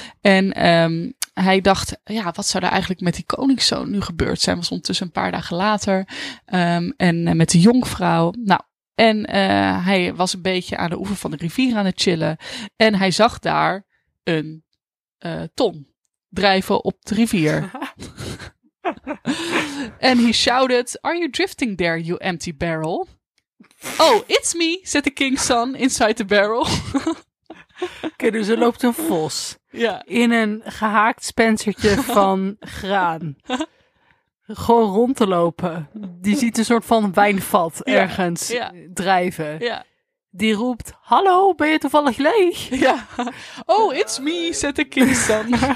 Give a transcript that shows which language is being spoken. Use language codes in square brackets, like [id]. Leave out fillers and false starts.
[nl] En hij dacht, ja, wat zou er eigenlijk met die koningszoon nu gebeurd zijn? Was ondertussen een paar dagen later. En met de jonkvrouw. Nou, en hij was een beetje aan de oever van de rivier aan het chillen. En hij zag daar een ton drijven op de rivier. [en] En he shouted, are you drifting there, you empty barrel? Oh, it's me, said the king's son inside the barrel. [nl] Oké, dus er loopt een vos. Ja. In een gehaakt spencertje van graan. Gewoon rond te lopen. Die ziet een soort van wijnvat ergens drijven. Ja. Die roept, hallo, ben je toevallig leeg? [en] Ja. Oh, it's me, said the king's son.